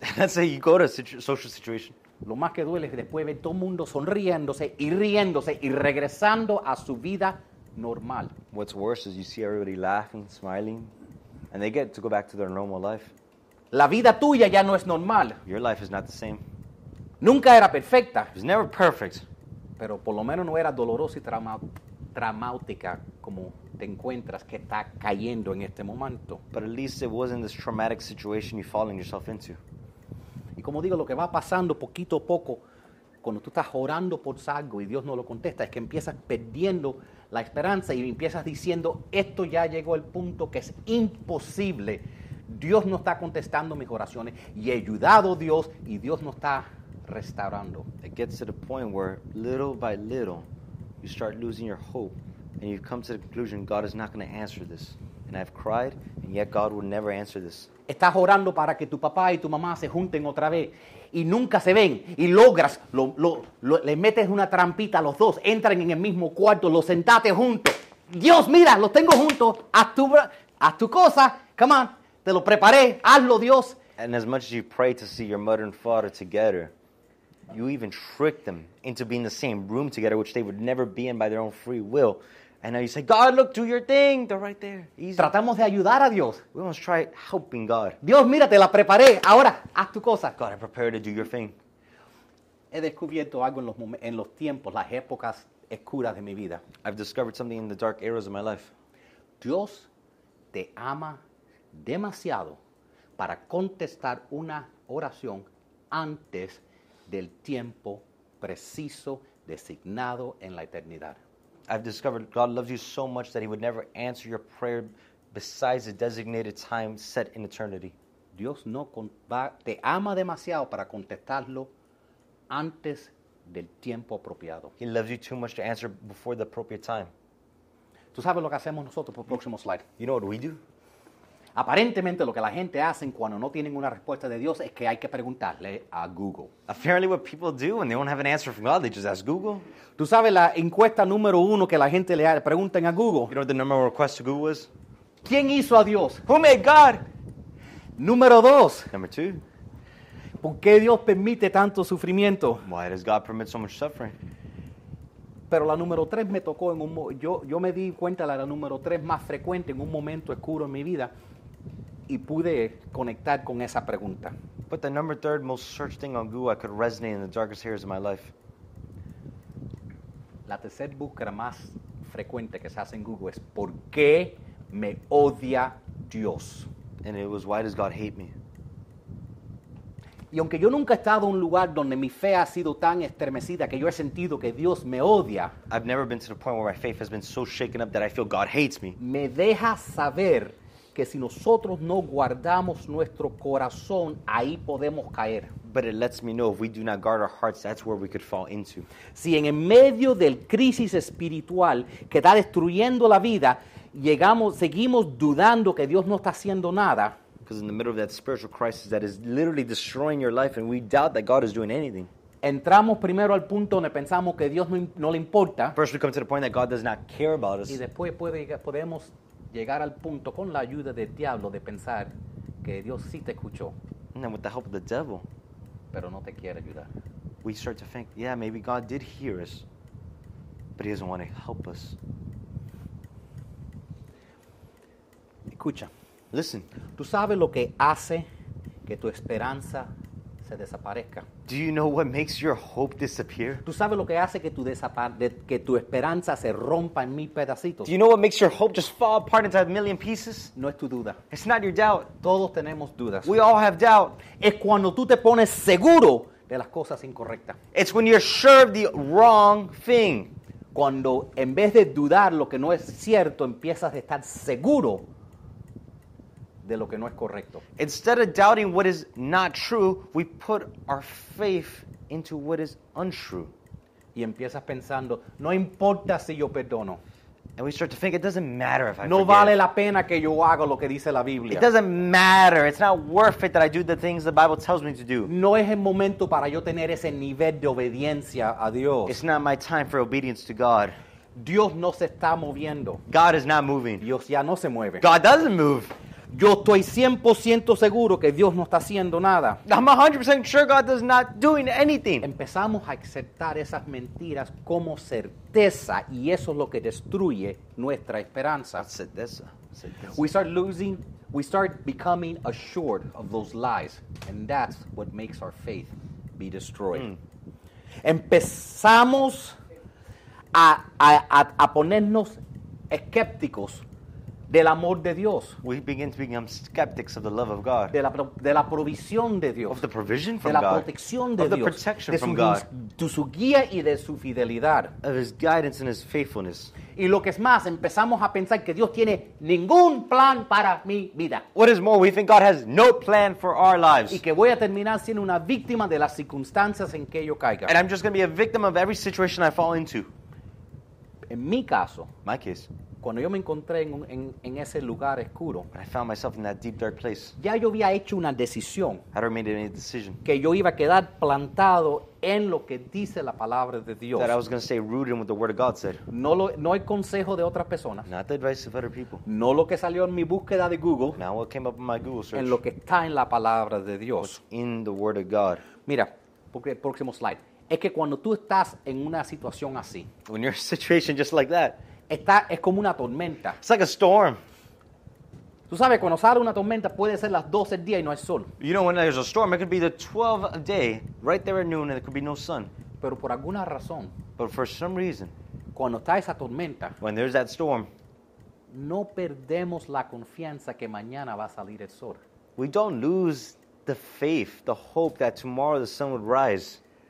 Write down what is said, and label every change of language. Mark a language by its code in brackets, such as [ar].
[en] Let's say you go to a social situation. [es] Lo más que duele es después ver todo el mundo sonriéndose y riéndose y regresando a su vida normal. [en] What's worse is you see everybody laughing, smiling, and they get to go back to their normal life. [es] La vida tuya ya no es normal. [en] Your life is not the same. [es] Nunca era perfecta. [en] It was never perfect. [es] Pero por lo menos no era dolorosa y traumática como te encuentras que está cayendo en este momento. [en] But at least it wasn't this traumatic situation you're falling yourself into. [es] Y como digo, lo que va pasando poquito a poco, cuando tú estás orando por algo y Dios no lo contesta, es que empiezas perdiendo la esperanza y empiezas diciendo, esto ya llegó al punto que es imposible. Dios no está contestando mis oraciones y he ayudado a Dios y Dios no está restaurando. [en] It gets to the point where little by little you start losing your hope and you've come to the conclusion God is not going to answer this. And I've cried, and yet God would never answer this. [es] Estás orando para que tu papá y tu mamá se junten otra vez. Y nunca se ven. Y logras, le metes una trampita a los dos. Entran en el mismo cuarto, los sentaste juntos. Dios, mira, los tengo juntos. Haz tu cosa. [en] Come on. [es] Te lo preparé. Hazlo, Dios. [en] And as much as you pray to see your mother and father together, you even trick them into being in the same room together, which they would never be in by their own free will. And now you say, God, look, do your thing. They're right there. Easy. Tratamos de ayudar a Dios. We almost try helping God. [es] Dios, mira, te la preparé. Ahora, haz tu cosa. [en] God, I prepare to do your thing. [es] He descubierto algo en los tiempos, las épocas oscuras de mi vida. [en] I've discovered something in the dark eras of my life. [es] Dios te ama demasiado para contestar una oración antes del tiempo preciso designado en la eternidad. [en] I've discovered God loves you so much that he would never answer your prayer besides the designated time set in eternity. [es] Dios no te ama demasiado para contestarlo antes del tiempo apropiado. [en] He loves you too much to answer before the appropriate time. [es] ¿Tú sabes lo que hacemos nosotros por el próximo slide? [en] You know what we do? [es] Aparentemente lo que la gente hacen cuando no tienen una respuesta de Dios es que hay que preguntarle a Google. [en] Apparently what people do when they don't have an answer from God, they just ask Google. [es] ¿Tú sabes la encuesta número uno que la gente le preguntan a Google? [en] You know what the number one request to Google is? [es] ¿Quién hizo a Dios? [en] Who made God? [es] Número dos. [en] Number two. [es] ¿Por qué Dios permite tanto sufrimiento? [en] Why does God permit so much suffering? [es] Pero la número tres me tocó en un yo me di cuenta la número tres más frecuente en un momento oscuro en mi vida. Y pude conectar con esa pregunta. [en] But the number third most searched thing on Google I could resonate in the darkest areas of my life. [es] La tercera búsqueda más frecuente que se hace en Google es ¿por qué me odia Dios? [en] And it was why does God hate me? [es] Y aunque yo nunca he estado en un lugar donde mi fe ha sido tan estremecida que yo he sentido que Dios me odia. [en] I've never been to the point where my faith has been so shaken up that I feel God hates me. [es] Me deja saber que si nosotros no guardamos nuestro corazón, ahí podemos caer. [en] But it lets me know if we do not guard our hearts, that's where we could fall into. [es] Si en el medio del crisis espiritual que está destruyendo la vida, seguimos dudando que Dios no está haciendo nada. [en] Because in the middle of that spiritual crisis that is literally destroying your life and we doubt that God is doing anything. [es] Entramos primero al punto donde pensamos que Dios no le importa. [en] First we come to the point that God does not care about us. [es] Y después podemos llegar al punto con la ayuda del diablo de pensar que Dios sí te escuchó. [en] And with the help of the devil. [es] Pero no te quiere ayudar. [en] We start to think, yeah, maybe God did hear us, but he doesn't want to help us. [es] Escucha. [en] Listen. [es] ¿Tú sabes lo que hace que tu esperanza se desaparezca? [en] Do you know what makes your hope disappear? [es] ¿Tú sabes lo que hace que tu esperanza se rompa en mil pedacitos? [en] Do you know what makes your hope just fall apart into a million pieces? [es] No es tu duda. [en] It's not your doubt. [es] Todos tenemos dudas. [en] We all have doubt. [es] Es cuando tú te pones seguro de las cosas incorrectas. [en] It's when you're sure of the wrong thing. [es] Cuando en vez de dudar lo que no es cierto, empiezas a estar seguro de lo que no es correcto. [en] Instead of doubting what is not true, we put our faith into what is untrue. [es] Y empiezas pensando, no importa si yo perdono. [en] And we start to think, it doesn't matter if I no forgive. [es] Vale la pena que yo hago lo que dice la Biblia. [en] It doesn't matter. It's not worth it that I do the things the Bible tells me to do. [es] No es el momento para yo tener ese nivel de obediencia a Dios. [en] It's not my time for obedience to God. [es] Dios no se está moviendo. [en] God is not moving. [es] Dios ya no se mueve. [en] God doesn't move. [es] Yo estoy 100% seguro que Dios no está haciendo nada. [en] I'm 100% sure God is not doing anything. [es] Empezamos a aceptar esas mentiras como certeza y eso es lo que destruye nuestra esperanza. Certeza. [en] We start becoming assured of those lies and that's what makes our faith be destroyed. [es] Empezamos a ponernos escépticos del amor de Dios. [en] We begin to become skeptics of the love of God. [es] De la provisión de Dios. [en] Of the provision from [es] God. De la [en] God. [es] Protección de [en] of [es] Dios. [en] Of the protection from God. [es] De su guía y de su fidelidad. [en] Of his guidance and his faithfulness. [es] Y lo que es más, empezamos a pensar que Dios tiene ningún plan para mi vida. [en] What is more, we think God has no plan for our lives. [es] Y que voy a terminar siendo una víctima de las circunstancias en que yo caiga. [en] And I'm just going to be a victim of every situation I fall into. [es] En mi caso. [en] My case. [es] Cuando yo me encontré en ese lugar oscuro, [en] I found myself in that deep dark place. [es] Ya yo había hecho una decisión. [en] I already made any decision. [es] Que yo iba a quedar plantado en lo que dice la palabra de Dios. [en] That I was going to stay rooted in what the word of God said. [es] No el consejo de otras personas. [en] Not the advice of other people. [es] No lo que salió en mi búsqueda de Google. [en] Not what came up in my Google search. [es] En lo que está en la palabra de Dios. [en] What's in the word of God. [es] Mira, porque el próximo slide. Es que cuando tú estás en una situación así. [en] When you're in a situation just like that. [es] Es como una tormenta. [en] It's like a storm. [es] Tú sabes, cuando sale una tormenta, puede ser las 12 del día y no hay sol. [en] You know, when there's a storm, it could be the 12 a day, right there at noon, and there could be no sun. [es] Pero por alguna razón. [en] But for some reason. [es] Cuando está esa tormenta. [en] When there's that storm. [es] No perdemos la confianza que mañana va a salir el sol. [en] We don't lose the faith, the hope that tomorrow the sun would rise.